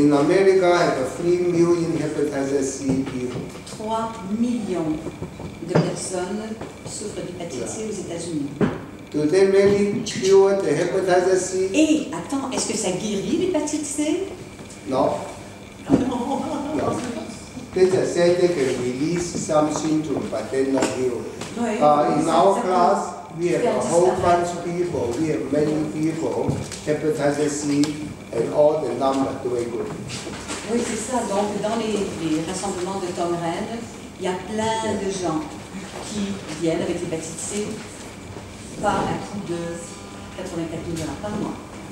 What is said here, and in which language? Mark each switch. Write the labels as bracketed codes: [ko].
[en] In America, I have 3 million hepatitis C people. [fr] 3 millions de personnes souffrent d'hépatite C aux États-Unis. [en] Do they really cure the hepatitis C? [fr] Hey, attends, est-ce que ça guérit l'hépatite C? [en] No. No. They just say they can release some symptoms, but they're not healed. In our class, we have a whole bunch of people, we have many people, hepatitis C, and all the numbers doing good. [fr] Oui, c'est ça. Donc, dans les rassemblements de Tong Ren, il y a plein de gens qui viennent avec l'hépatite C. Par un coût de $84,000 par mois.